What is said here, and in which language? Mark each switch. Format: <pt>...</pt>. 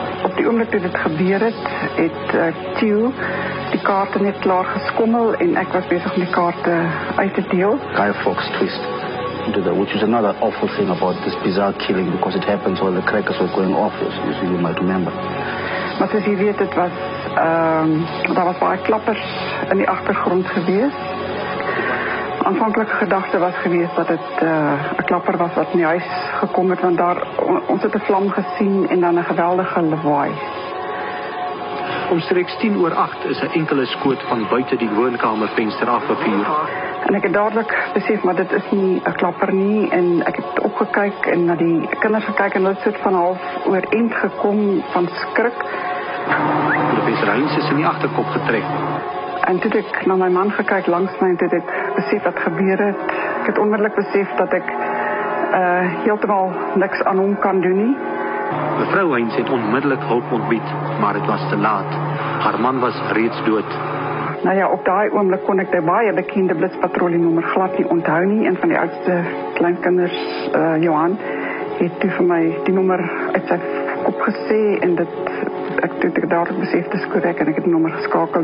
<af>Op die oomblik toe dit gebeur het, het Tio die kaarte net klaar geskommel en ek was besig om die kaarte uit te deel.</af> <en>Guy Fawkes twist into that, which is another awful thing about this bizarre killing, because it happens while the crackers were going off, as you might remember.</en> <af>Maar soos jy weet, het was, daar was baie klappers in die agtergrond gewees. Aanvanklike gedagte was gewees dat dit 'n klapper was wat in die huis gekom het, want daar ons het 'n vlam gesien en dan 'n geweldige lawaai. Omstreeks 10:08 is 'n enkele skoot van buite die woonkamervenster afgevuur. En ek het dadelik besef maar dit is nie 'n klapper nie, en ek het opgekyk en na die kinders gekyk en hulle het van half oorend gekom van skrik. Professor Heinz is in die agterkop getrek. En toe ek na my man gekyk langs my en toe ek besef wat gebeur het, ek het onmiddellik besef dat ek heeltemal niks aan hom kan doen nie. Mevrou Heinz het onmiddellik hulp ontbied, maar het was te laat. Haar man was reeds dood. Nou ja, op daai oomblik kon ek die baie bekende blitspatrolienommer glad nie onthou nie. Een van die oudste kleinkinders, Johan, het toe vir my die nommer uit sy kop gesê en dit... Ek het dadelik besef dis korrek en ek het die nommer geskakel.</af>